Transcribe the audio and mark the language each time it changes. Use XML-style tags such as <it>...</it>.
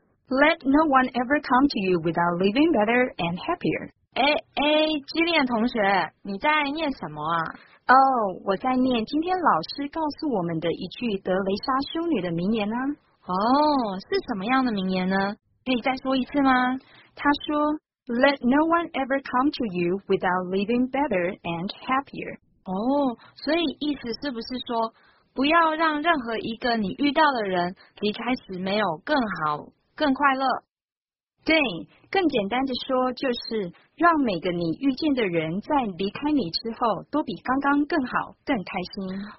<en>Let no one ever come to you without living better and happier.</en> <zh>基恋同学，你在念什么啊？哦、oh, ，我在念今天老师告诉我们的一句德雷莎修女的名言呢、啊。哦、oh, ，是什么样的名言呢？可以再说一次吗？她说</zh> <en>Let no one ever come to you without leaving better and happier.</en> <zh>哦，所以意思是不是说，不要让任何一个你遇到的人离开时没有更好、更快乐？对，更简单的说就是让每个你遇见的人在离开你之后都比刚刚更好、更开心。</zh>